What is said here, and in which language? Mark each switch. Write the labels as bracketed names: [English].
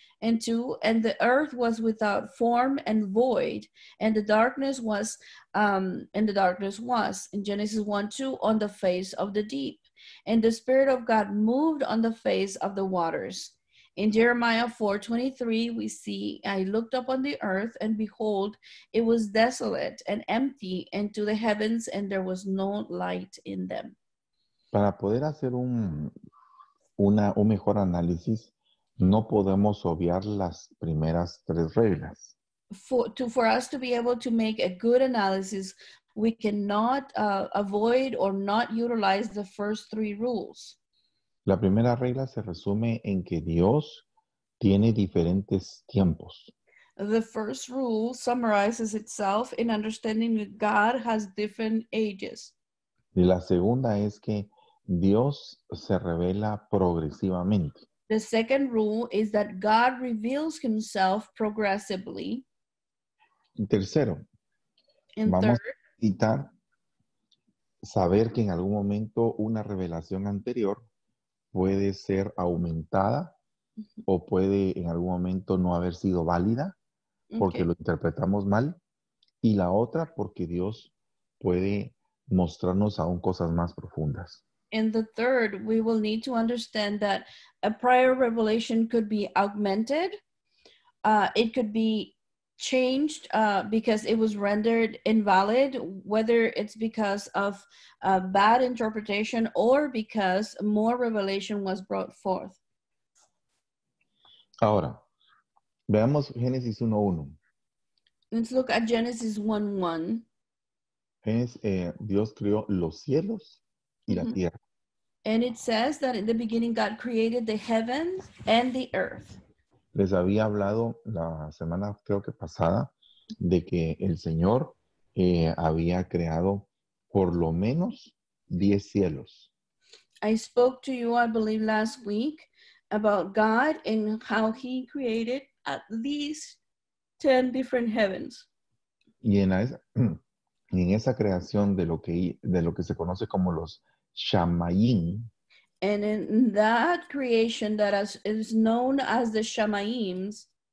[English] And 2, and the earth was without form and void, and the darkness was, in Genesis 1:2, on the face of the deep. And the Spirit of God moved on the face of the waters. In Jeremiah 4:23, we see, I looked up on the earth, and behold, it was desolate and empty, and to the heavens, and there was no light in them. [Spanish] Para poder hacer un mejor análisis, no podemos obviar las primeras tres reglas. [English] For us to be able to make a good analysis, we cannot avoid or not utilize the first three rules. [Spanish] La primera regla se resume en que Dios tiene diferentes tiempos. [English] The first rule summarizes itself in understanding that God has different ages. [Spanish] Y la segunda es que Dios se revela progresivamente. [English] The second rule is that God reveals himself progressively. [Spanish] Tercero, vamos a necesitar saber que en algún momento una revelación anterior puede ser aumentada o puede en algún momento no haber sido válida porque lo interpretamos mal. Y la otra, porque Dios puede mostrarnos aún cosas más profundas. [English] And the third, we will need to understand that a prior revelation could be augmented. It could be changed because it was rendered invalid, whether it's because of a bad interpretation or because more revelation was brought forth. [Spanish] Ahora, veamos Génesis 1:1. [English] Let's look at Genesis 1:1. [Spanish] Dios creó los cielos y la tierra. [English] And it says that in the beginning God created the heavens and the earth. [Spanish] Les había hablado la semana, creo que pasada, de que el Señor había creado por lo menos 10 cielos. [English] I spoke to you, I believe, last week about God and how he created at least 10 different heavens. [Spanish] Y en esa creación de lo que se conoce como los Shamayim. [English] And in that creation that is known as the Shamayims,